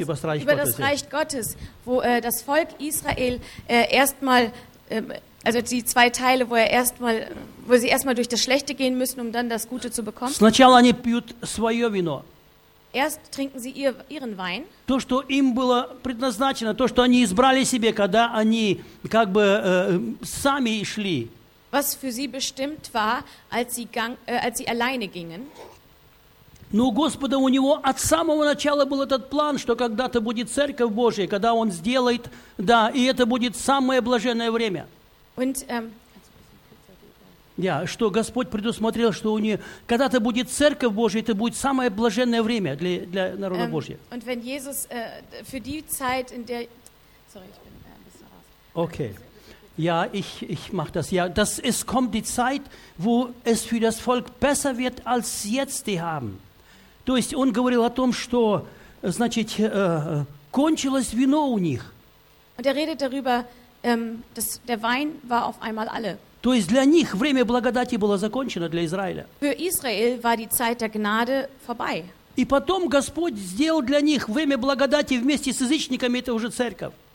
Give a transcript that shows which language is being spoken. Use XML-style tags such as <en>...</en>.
<de>über das Reich Gottes, wo das Volk Israel erstmal, also die zwei Teile, wo er erstmal, wo sie erstmal durch das Schlechte gehen müssen, um dann das Gute zu bekommen.</de> <ru>Сначала они пьют свое вино.</ru> <de>Erst trinken sie ihren Wein.</de> <ru>То, что им было предназначено, то, что они избрали себе, когда они как бы сами шли.</ru> <de>Was für sie bestimmt war, als sie alleine gingen.</de> <ru>Но у Господа, у него от самого начала был этот план, что когда-то будет Церковь Божия, когда Он сделает, да, и это будет самое блаженное время.</ru> <de>Und,</de> <ru>Да, что Господь предусмотрел, что у нее когда-то будет Церковь Божия, это будет самое блаженное время для, для народа Божия.</ru> <de>Und wenn Jesus für die Zeit, in der... Sorry, ich bin ein bisschen raus. Okay. Ja, ich mach das. Ja, das, es kommt die Zeit, wo es für das Volk besser wird, als jetzt die haben.</de> <ru>То есть, он говорил о том, что, значит, кончилось вино у них.</ru> <de>Und redet darüber, dass der Wein war auf einmal alle.</de> <ru>То есть для них время благодати было закончено для Израиля.</ru> <de>Für Israel war die Zeit der Gnade vorbei.</de> <ru>И потом Господь сделал для них время благодати вместе с язычниками, это уже церковь.</ru>